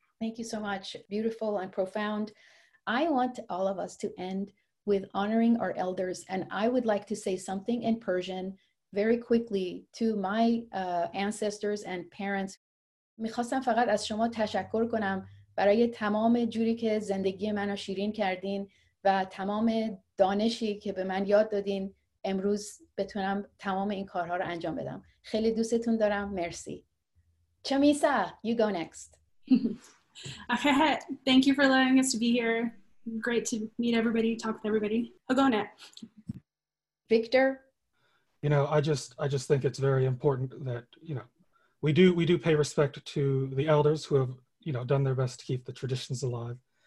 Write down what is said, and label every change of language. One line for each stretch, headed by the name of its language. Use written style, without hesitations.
English: Thank you so much. Beautiful and profound. I want all of us to end with honoring our elders. And I would like to say something in Persian very quickly to my ancestors and parents.
Persian: میخواستم فقط از شما تشکر کنم برای تمام جوری که زندگی منو شیرین کردین و تمام دانشی که به من یاد دادین امروز بتونم تمام این کارها رو انجام بدم. خیلی دوستتون دارم. مرسی.
English: چمیسا, you go next. Thank you for allowing us to be here. Great to meet everybody, talk with everybody. Hagona. Victor. You know, I just think it's very important that, you know, we do pay respect to the elders who have, you know, done their best to keep the traditions alive.